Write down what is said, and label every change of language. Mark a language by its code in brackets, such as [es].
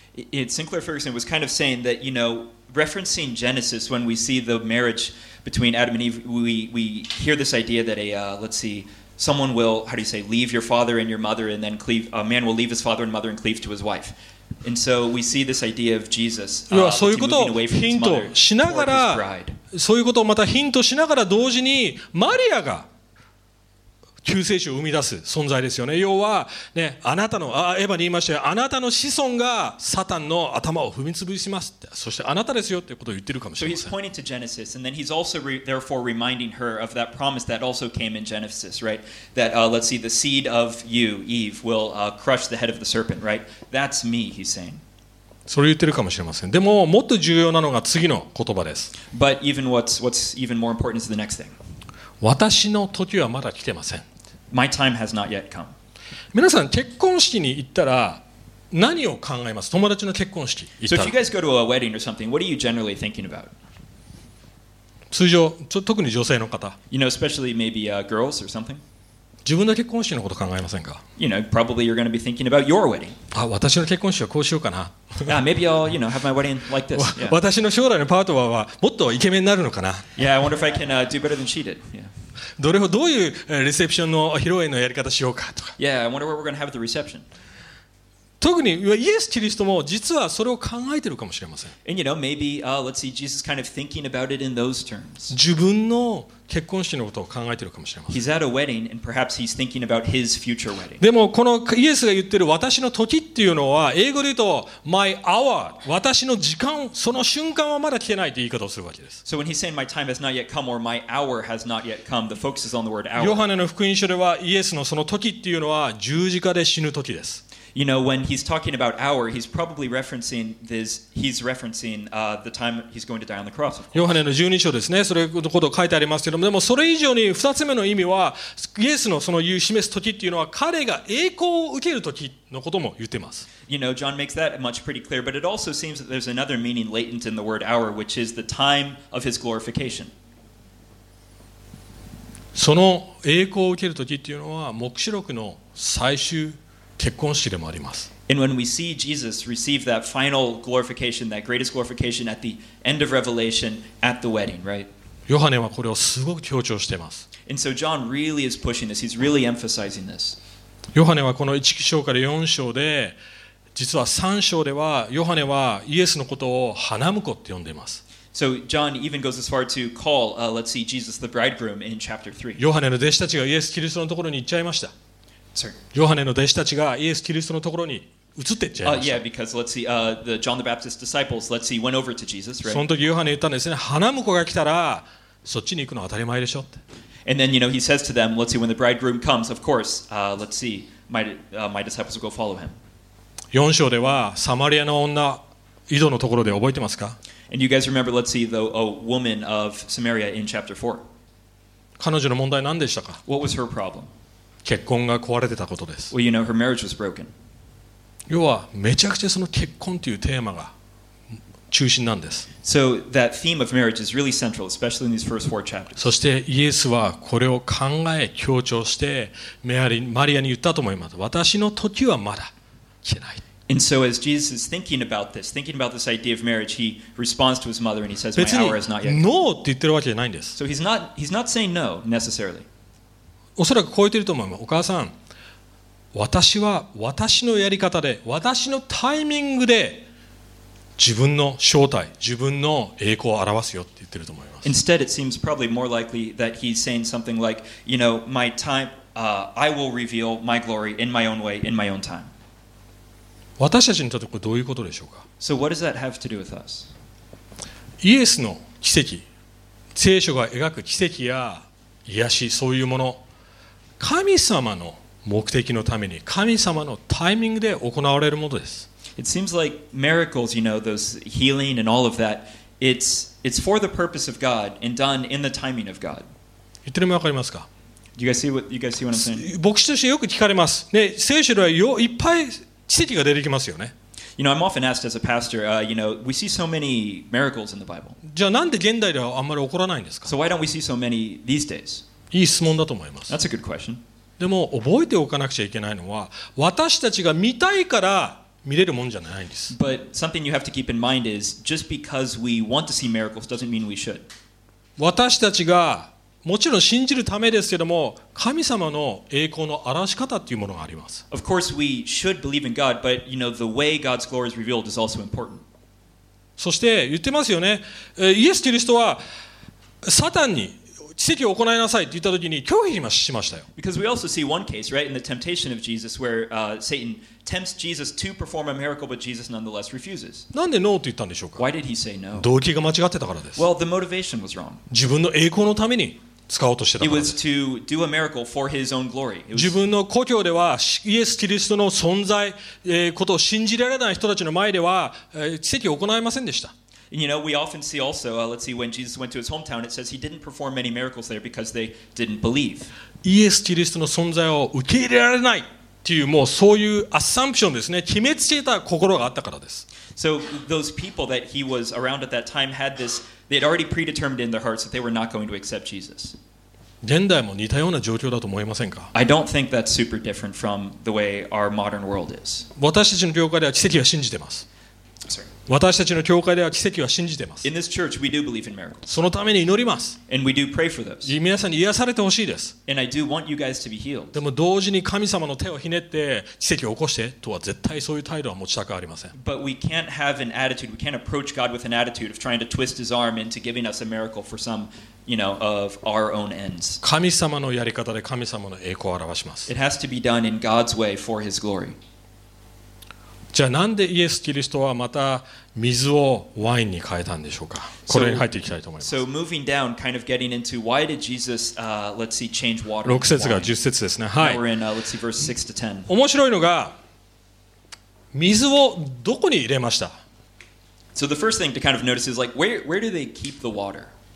[en] Sinclair Ferguson was kind of saying that, you know, referencing Genesis when we see the marriage between Adam and Eve, we hear this idea that someone will, how do you say, leave your father and your mother and then cleave, a man will leave his father and mother and cleave to his wife. And so we see this idea of Jesus, [ja] そういうことをヒントしながら、そういうことをまたヒントしながら同時にマリアが救世主を生み出す存在ですよね。要はね、あなたのエヴァに言いましたよ、あなたの子孫がサタンの頭を踏みつぶしますって、そしてあなたですよってことを言ってるかもしれません。 [en] So he's pointing to Genesis, and then he's also therefore reminding her of that promise that also came in Genesis, right? That let's see, the seed of you, Eve, will crush the head of the serpent, right? That's me, he's saying. [ja] それ言ってるかもしれません。でももっと重要なのが次の言葉です。 [en] But even what's even more important is the next thing. [ja] 私の時はまだ来てません。 [en] My time has not yet come. [ja] 皆さん結婚式に行ったら何を考えます？友達の結婚式行ったら。 [en] So if you guys go to a wedding or something, what are you generally thinking about? [ja] 通常、特に女性の方。 [en] You know, especially maybe girls or something. [ja] 自分の結婚式のこと考えませんか？ [en] You know, probably you're going to be thinking about your wedding. [ja] あ、私の結婚式はこうしようかな。 [en] Yeah, maybe I'll, you know, have my wedding like this. Yeah. [ja] 私の将来のパートナーはもっとイケメンになるのかな。 [en] Yeah, I wonder if I can do better than she did. Yeah. [ja] どういうレセプションの披露宴のやり方しようかとか。 [en] Yeah, I wonder where we're going to have the reception. [ja] 特にイエス・キリストも実はそれを考えているかもしれません。 [en] And you know, maybe, let's see, Jesus kind of thinking about it in those terms. [ja] 自分の結婚式のことを考えているかもしれません。 [en] He's at a wedding and perhaps he's thinking about his future wedding. [ja] でもこのイエスが言っている私の時っていうのは英語で言うと [en] my hour [ja] 私の時間その瞬間はまだ来てないという言い方をするわけです。 [en] So when he's saying my time has not yet come or my hour has not yet come, the focus is on the word hour. [ja] ヨハネの福音書ではイエスのその時っていうのは十字架で死ぬ時です。 [en] You know, when he's talking about hour, he's probably referencing this. He's referencing the time he's going to die on the cross. [ja] ヨハネの十二章ですね。それのことを書いてありますけども、でもそれ以上に二つ目の意味は、イエスのその言う示す時っていうのは彼が栄光を受ける時のことも言ってます。 [en] You know, John makes that much pretty clear, but it also seems that there's another meaning latent in the word hour, which is the time of his glorification. [ja] その栄光を受ける時っていうのは黙示録の最終。結婚式でもあります。 [en] And when we see Jesus receive that final glorification, that greatest glorification at the end of Revelation at the wedding, right? [ja] ヨハネはこれをすごく強調しています。 [en] And so John really is pushing this. He's really emphasizing this. [ja] ヨハネはこの1章から4章で、実は3章ではヨハネはイエスのことを花婿って呼んでいます。 [en] So John even goes as far to call, let's see, Jesus the bridegroom in chapter 3. [ja] ヨハネの弟子たちがイエス・キリストのところに行っちゃいました。ヨハネの弟子たちがイエス・キリストのところに移っていっちゃいました。 [en] Yeah, because let's see, the John the Baptist's disciples, let's see, went over to Jesus, right? [ja] その時ヨハネ言ったんですね、花婿が来たらそっちに行くのは当たり前でしょって。 [en] And then, you know, he says to them, let's see, when the bridegroom comes, of course, let's see, my disciples will go follow him. [ja] 4章ではサマリアの女、井戸のところで覚えてますか？ [en] And you guys remember, let's see, the woman of Samaria in chapter 4. [ja] 彼女の問題何でしたか？ [en] What was her problem? [ja] 結婚が壊れてたことです。 [en] Well, you know, her marriage was broken. [ja] 要はめちゃくちゃその結婚というテーマが中心なんです。 [en] So that theme of marriage is really central, especially in these first four chapters. [ja] そしてイエスはこれを考え強調してマリアに言ったと思います。私の時はまだ来ない。 [en] And so as Jesus is thinking about this idea of marriage, he responds to his mother and he says, "My hour is not yet." [ja] 別にノーって言ってるわけじゃないんです。 [en] So he's not saying no necessarily. [ja] おそらく超えていると思います。お母さん、私は私のやり方で、私のタイミングで自分の正体、自分の栄光を表すよって言ってると思います。 [en] Instead, it seems probably more likely that he's saying something like, you know, my time, I will reveal my glory in my own way, in my own time. [ja] 私たちにとってこれどういうことでしょうか。 [en] So what does that have to do with us? [ja] イエスの奇跡、聖書が描く奇跡や癒し、そういうもの、神様の目的のために、神様のタイミングで行われるものです。 [en] It seems like miracles, you know, those healing and all of that, it's for the purpose of God and done in the timing of God. [ja] 言ってるのわかりますか？ [en] Do you guys see what I'm saying? [ja] 牧師としてよく聞かれます。ね、聖書ではいっぱい奇跡が出てきますよね。 [en] You know, I'm often asked as a pastor, you know, we see so many miracles in the Bible. [ja] じゃあなんで現代ではあんまり起こらないんですか？ [en] So why don't we see so many these days? [ja] いい質問だと思います。 [en] That's a good question. [ja] でも覚えておかなくちゃいけないのは、私たちが見たいから見れるもんじゃないんです。 [en] But something you have to keep in mind is just because we want to see miracles doesn't mean we should. [ja] 私たちがもちろん信じるためですけども、神様の栄光の表し方っていうものがあります。 [en] Of course we should believe in God, but you know the way God's glory is revealed is also important. [ja] そして言ってますよね。イエス・キリストはサタンに奇跡を行いなさいって言ったときに拒否しましたよ。 [en] Because we also see one case, right, in the temptation of Jesus where Satan tempts Jesus to perform a miracle, but Jesus nonetheless refuses. [ja] なんでノーって言ったんでしょうか。 [en] Why did he say no? [ja] 動機が間違ってたからです。 [en] Well, the motivation was wrong. [ja] 自分の栄光のために使おうとしてたからです。 [en] He was to do a miracle for his own glory. [ja] 自分の故郷ではイエス・キリストの存在、ことを信じられない人たちの前では、奇跡を行いませんでした。 [en] You know, we often see also, let's see, when Jesus went to his hometown, it says he didn't perform many miracles there because they didn't believe. [ja] イエス・キリストの存在を受け入れられないっていう、もうそういうアサンプションですね。決めつけた心があったからです。 [en] So those people that he was around at that time had this, they had already predetermined in their hearts that they were not going to accept Jesus. [ja] 現代も似たような状況だと思いませんか？ [en] I don't think that's super different from the way our modern world is. [ja] 私たちの業界では奇跡は信じてます。私たちの教会では奇跡は信じています。 [en] In this church, we do believe in miracles. [ja] そのために祈ります。 [en] And we do pray for those. [ja] 皆さんに癒されてほしいです。 [en] And I do want you guys to be healed. [ja] でも同時に神様の手をひねって奇跡を起こしてとは絶対そういう態度は持ちたくありません。 [en] But we can't have an attitude, we can't approach God with an attitude of trying to twist his arm into giving us a miracle for some, you know, of our own ends. [ja] 神様のやり方で神様の栄光を表します。 [en] It has to be done in God's way for his glory. [ja] じゃあなんでイエス・キリストはまた水をワインに変えたんでしょうか。これに入っていきたいと思います。 [en] So moving down, kind of getting into why did Jesus, let's see, change water. [ja] 六節が十節ですね。はい。 [en] Now we're in, let's see, verse 6 to 10. [ja] 面白いのが水をどこに入れました。 [en] So the first thing to kind of notice is like where do they keep the water?